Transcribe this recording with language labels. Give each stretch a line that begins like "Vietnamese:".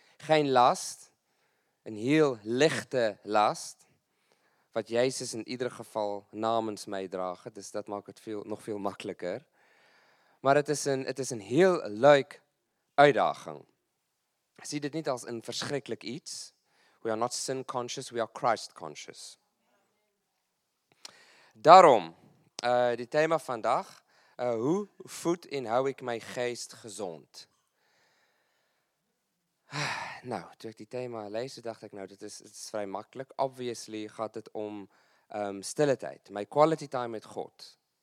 Dutch: Geen last, een heel lichte last, wat Jezus in ieder geval namens mij draagt. Dus dat maakt het nog veel makkelijker. Maar het is een heel leuk uitdaging. Zie dit niet als een verschrikkelijk iets.
English: We are not sin conscious, we are Christ conscious.
Dutch: Daarom, die thema vandaag, hoe voed en hou ik mijn geest gezond? Nou, toen ik die thema lees, dacht ik, nou, dit is vrij makkelijk. Obviously gaat het om stille tijd,
English: my quality time
Dutch: met God.